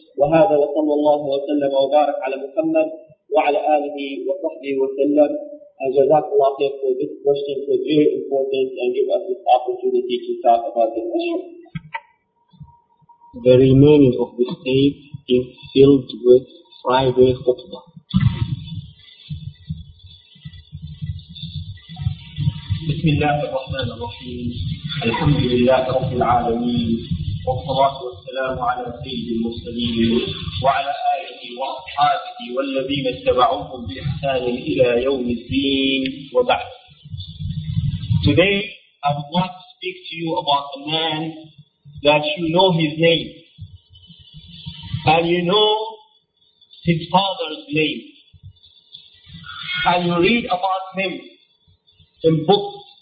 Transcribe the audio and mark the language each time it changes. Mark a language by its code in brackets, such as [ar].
[ar] وَهَذَا وَصَلَّ اللَّهُ وَسَلَّمَ وَبَارَكَ عَلَى مُحَمَّدٍ وَعَلَى آلِهِ وَصَحْبِهِ وَسَلَّمَ. [en] And JazakAllah khair for this question, it was very important and give us this opportunity to talk about this issue. The remaining of the state is filled with Friday khutbah. [ar] بسم الله الرحمن الرحيم الحمد لله رب العالمين والصلاة والسلام على سيد المرسلين وعلى آله وأصحابه والذين اتبعوهم بإحسان إلى يوم الدين وبعد. [en] Today I would like to speak to you about a man that you know his name and you know his father's name and you read about him in books.